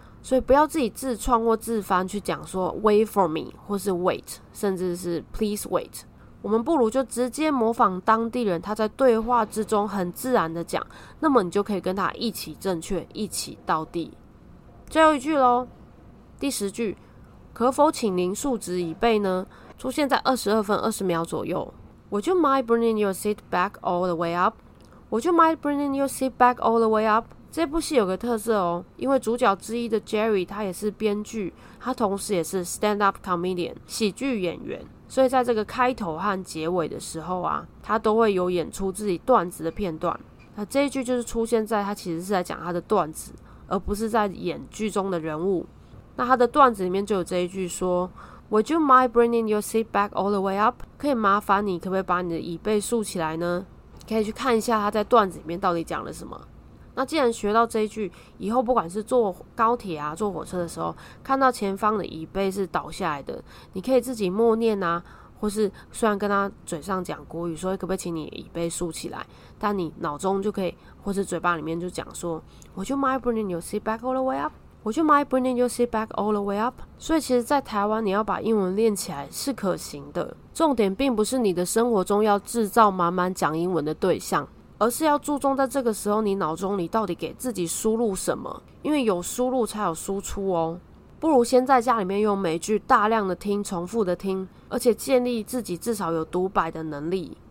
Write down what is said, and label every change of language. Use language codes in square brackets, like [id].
[zh] 所以不要自己自创或自翻去讲说 [en] wait for me [zh] 或是 wait， 甚至是 [en] please wait， [zh] 我们不如就直接模仿当地人他在对话之中很自然的讲，那么你就可以跟他一起正确，一起到地。最后一句咯，第十句，可否请您竖直椅背呢？出现在22分20秒左右。 [en] Would you mind bringing your seat back all the way up? Would you mind bringing your seat back all the way up? [zh] 这部戏有个特色哦，因为主角之一的 Jerry 他也是编剧，他同时也是 stand up comedian 喜剧演员，所以在这个开头和结尾的时候啊，他都会有演出自己段子的片段。那这一句就是出现在他其实是在讲他的段子，而不是在演剧中的人物。那他的段子里面就有这一句说 [en] Would you mind bringing your seat back all the way up? [zh] 可以麻烦你可不可以把你的椅背竖起来呢？可以去看一下他在段子里面到底讲了什么。那既然学到这一句，以后不管是坐高铁啊坐火车的时候，看到前方的椅背是倒下来的，你可以自己默念啊，或是虽然跟他嘴上讲国语说可不可以请你椅背竖起来，但你脑中就可以或是嘴巴里面就讲说 [en] Would you mind bringing your seat back all the way up? Would you mind bringing your seat back all the way up? [zh] 所以其实在台湾你要把英文练起来是可行的，重点并不是你的生活中要制造满满讲英文的对象，而是要注重在这个时候你脑中你到底给自己输入什么，因为有输入才有输出哦。不如先在家里面用美剧大量的听，重复的听，而且建立自己至少有独白的能力。